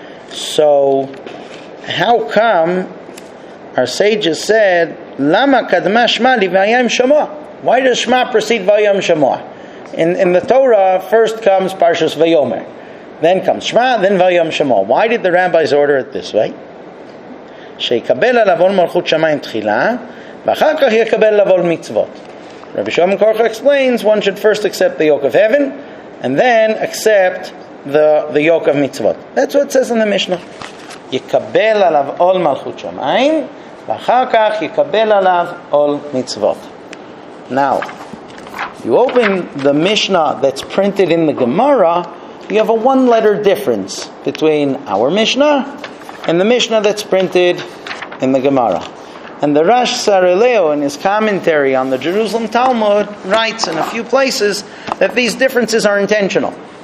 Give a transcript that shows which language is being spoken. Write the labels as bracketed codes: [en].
[en] So, how come our sages said, Lama Kadma Shema Li Vayom Shamoah? Why does Shema precede Vayom Shamoah? In the Torah, first comes Parshas Vayomer, then comes Shema, then Vayom Shamoah. Why did the rabbis order it this way? [he] שיקבל עליו עול מלכות שמיים תחילה ואחר כך יקבל עליו עול מצוות. [en] רבי שמעון קורח explains, one should first accept the yoke of heaven and then accept the yoke of מצוות. That's what it says in the Mishnah. [he] יקבל עליו עול מלכות שמיים ואחר כך יקבל עליו עול מצוות. [en] Now, you open the Mishnah that's printed in the Gemara, you have a one-letter difference between our Mishnah in the Mishnah that's printed in the Gemara. And the Rash Sarileo, in his commentary on the Jerusalem Talmud, writes in a few places that these differences are intentional.